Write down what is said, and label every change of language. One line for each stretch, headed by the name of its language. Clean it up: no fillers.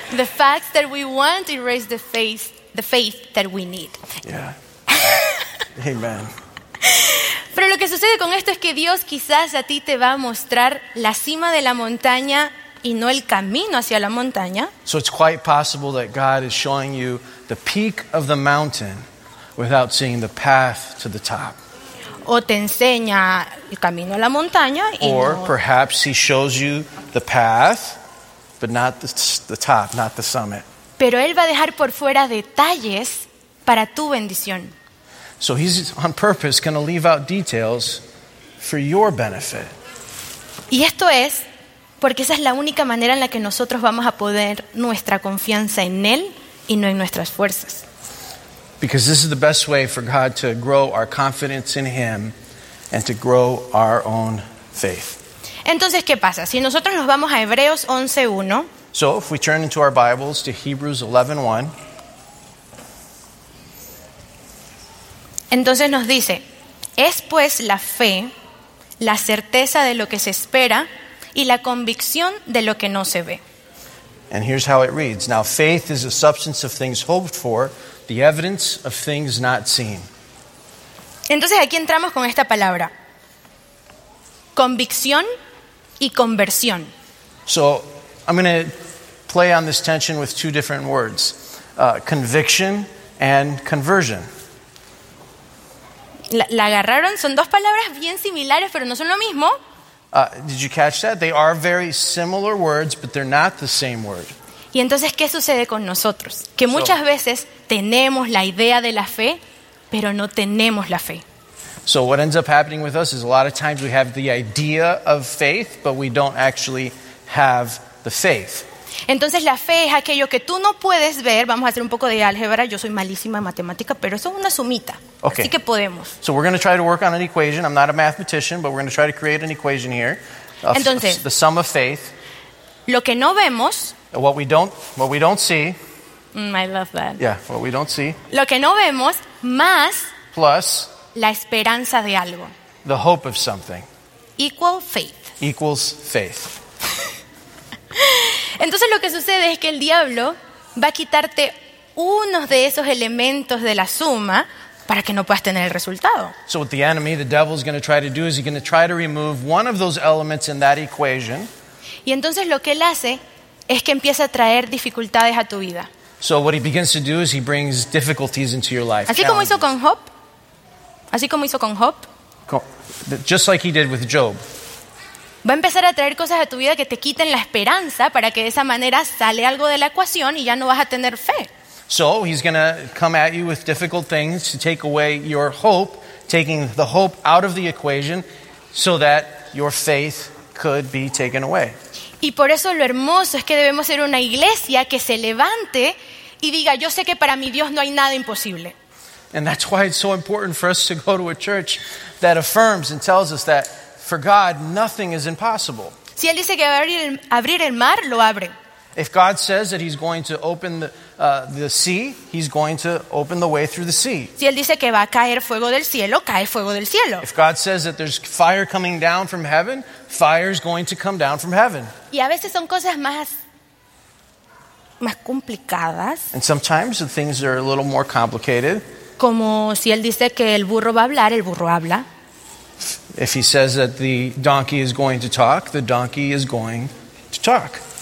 English: The facts that we want erase the faith that we need. Yeah. Amen.
Spanish: Pero lo que sucede con esto es que Dios quizás a ti te va a mostrar la cima de la montaña y no el camino hacia la montaña.
English: So it's quite possible that God is showing you the peak of the mountain without seeing the path to the top.
Spanish: O te enseña el camino a la montaña y
English: or
Spanish: no.
English: Perhaps he shows you the path but not the top, not the summit.
Spanish: Pero él va a dejar por fuera detalles para tu bendición.
English: So he's on purpose going to leave out details for your benefit.
Spanish: Y esto es porque esa es la única manera en la que nosotros vamos a poner nuestra confianza en él y no en nuestras fuerzas.
English: Because this is the best way for God to grow our confidence in him and to grow our own faith.
Spanish: Entonces, ¿qué pasa? Si nosotros nos vamos a Hebreos 11:1.
English: So, if we turn into our Bibles to Hebrews 11:1.
Spanish: Entonces nos dice, es pues la fe, la certeza de lo que se espera y la convicción de lo que no se ve.
English: And here's how it reads. Now, faith is the substance of things hoped for, the evidence of things not seen.
Spanish: Entonces aquí entramos con esta palabra. Convicción y conversión.
English: So, I'm going to play on this tension with two different words. Conviction and conversion.
Spanish: La agarraron, son dos palabras bien similares, pero no son lo mismo.
English: Did you catch that? They are very similar words, but they're not the same word.
Spanish: Y entonces, ¿qué sucede con nosotros? Que muchas veces tenemos la idea de la fe, pero no tenemos la fe.
English: So what ends up happening with us is a lot of times we have the idea of faith, but we don't actually have the faith.
Spanish: Entonces la fe es aquello que tú no puedes ver. Vamos a hacer un poco de álgebra. Yo soy malísima en matemática, pero eso es una sumita.
English: Okay.
Spanish: Así que podemos.
English: So we're going to try to work on an equation. I'm not a mathematician, but we're going to try to create an equation here.
Spanish: Entonces,
English: the sum of faith.
Spanish: Lo que no vemos.
English: What we don't see. I love that. Yeah, what we don't see.
Spanish: Lo que no vemos más.
English: Plus.
Spanish: La esperanza de algo.
English: The hope of something. Equal faith. Equals faith.
Spanish: Entonces lo que sucede es que el diablo va a quitarte unos de esos elementos de la suma para que no puedas tener el resultado.
English: So what the enemy, the devil, is going to try to do is he's going to try to remove one of those elements in that equation.
Spanish: Y entonces lo que él hace es que empieza a traer dificultades a tu vida.
English: So what he begins to do is he brings difficulties into your life.
Spanish: Así como hizo con Job. Así como hizo con Job.
English: Just like he did with Job.
Spanish: Va a empezar a traer cosas a tu vida que te quiten la esperanza para que de esa manera sale algo de la ecuación y ya no vas a tener fe.
English: So he's going to come at you with difficult things to take away your hope, taking the hope out of the equation so that your faith could be taken away.
Spanish: Y por eso lo hermoso es que debemos ser una iglesia que se levante y diga, yo sé que para mi Dios no hay nada imposible.
English: And that's why it's so important for us to go to a church that affirms and tells us that for God, nothing is impossible.
Spanish: Si él dice que va a abrir el mar, lo abre.
English: If God says that he's going to open the sea, he's going to open the way through the sea.
Spanish: Si él dice que va a caer fuego del cielo, cae fuego del cielo.
English: If God says that there's fire coming down from heaven, fire is going to come down from heaven.
Spanish: Y a veces son cosas más complicadas.
English: And sometimes the things are a little more complicated.
Spanish: Como si él dice que el burro va a hablar, el burro habla.
English: If he says that the donkey is going to talk, the donkey is going to talk.